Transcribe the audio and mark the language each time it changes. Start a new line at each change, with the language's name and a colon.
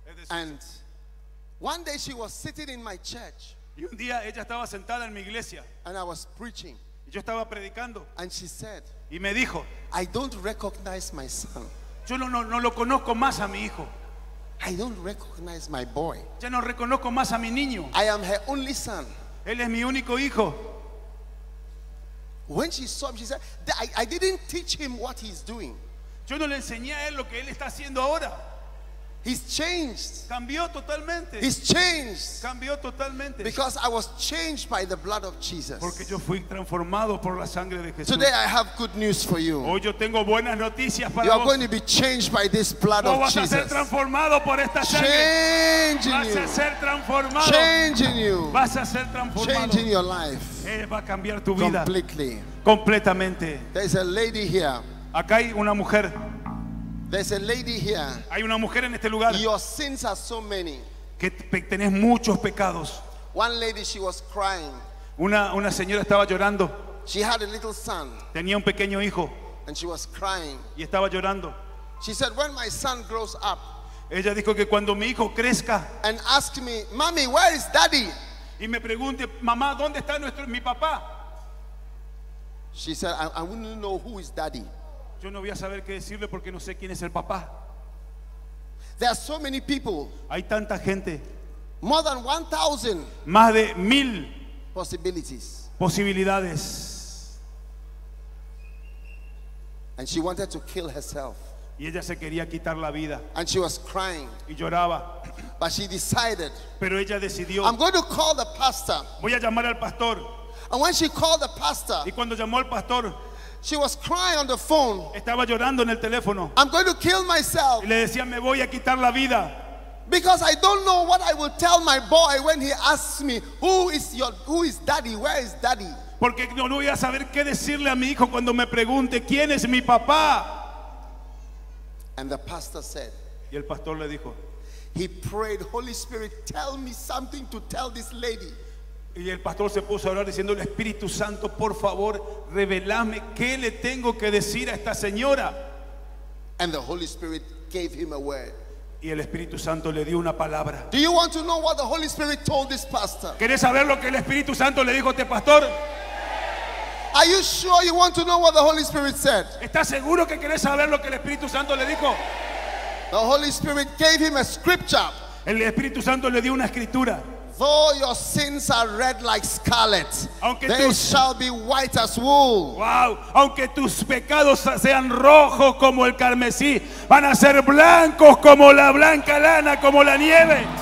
English: And one day she was sitting in my church.
Spanish: Y un día ella estaba sentada en mi iglesia.
English: And I was preaching.
Spanish: Y yo estaba predicando.
English: And she said,
Spanish: y me dijo,
English: I don't recognize my son.
Spanish: Yo no lo conozco más a mi hijo.
English: I don't recognize my boy.
Spanish: Ya no reconozco más a mi niño.
English: I am her only son.
Spanish: Él es mi único hijo.
English: When she saw him, she said, I didn't teach him what he's doing.
Spanish: Yo no le enseñé a él lo que él está haciendo ahora.
English: He's changed.
Spanish: Cambió totalmente.
English: He's changed.
Spanish: Cambió totalmente.
English: Because I was changed by the blood of Jesus.
Spanish: Porque yo fui transformado por la sangre de Jesús.
English: Today I have good news for you.
Spanish: Hoy yo tengo buenas noticias para vos.
English: You are going to be changed by this blood of Jesus.
Spanish: Vas a ser transformado por esta sangre.
English: Changing you.
Spanish: Vas a ser transformado.
English: Changing you.
Spanish: Vas a ser transformado.
English: Changing your life.
Spanish: Va a cambiar tu vida.
English: Completely.
Spanish: Completamente.
English: There's a lady here.
Spanish: Acá hay una mujer.
English: There's a lady here.
Spanish: Hay una mujer en este lugar.
English: Your sins are so many.
Spanish: Que tenés muchos pecados.
English: One lady, she was crying.
Spanish: Una señora estaba llorando.
English: She had a little son.
Spanish: Tenía un pequeño hijo.
English: And she was crying.
Spanish: Y estaba llorando.
English: She said, "When my son grows up."
Spanish: Ella dijo que cuando mi hijo crezca.
English: And asked me, "Mommy, where is daddy?"
Spanish: Y me pregunte, "Mamá, ¿dónde está mi papá?"
English: She said, "I wouldn't know who is daddy."
Spanish: Yo no voy a saber qué decirle porque no sé quién es el papá.
English: There are so many people.
Spanish: Hay tanta gente.
English: More than 1,000.
Spanish: Más de 1,000
English: possibilities.
Spanish: Posibilidades.
English: And she wanted to kill herself.
Spanish: Y ella se quería quitar la vida.
English: And she was crying.
Spanish: Y lloraba.
English: But she decided.
Spanish: Pero ella decidió.
English: I'm going to call the pastor.
Spanish: Voy a llamar al pastor.
English: And when she called the pastor.
Spanish: Y cuando llamó al pastor.
English: She was crying on the phone.
Spanish: Estaba llorando en el teléfono.
English: I'm going to kill myself.
Spanish: Y le decía, me voy a quitar la vida.
English: Because I don't know what I will tell my boy when he asks me, who is daddy? Where is daddy?
Spanish: Porque no voy a saber qué decirle a mi hijo cuando me pregunte quién es mi papá.
English: And the pastor said.
Spanish: Y el pastor le dijo.
English: He prayed, Holy Spirit, tell me something to tell this lady.
Spanish: Y el pastor se puso a hablar diciendo, Espíritu Santo, por favor, revelame qué le tengo que decir a esta señora.
English: And the Holy Spirit gave him a word.
Spanish: Y el Espíritu Santo le dio una palabra.
English: Do you want to know what the Holy Spirit told this pastor?
Spanish: ¿Quieres saber lo que el Espíritu Santo le dijo a este pastor?
English: Are you sure you want to know what the Holy Spirit said?
Spanish: ¿Estás seguro que quieres saber lo que el Espíritu Santo le dijo?
English: The Holy Spirit gave him a scripture.
Spanish: El Espíritu Santo le dio una escritura.
English: Though your sins are red like scarlet,
Spanish: aunque
English: they shall be white as wool.
Spanish: Wow, aunque tus pecados sean rojos como el carmesí, van a ser blancos como la blanca lana, como la nieve.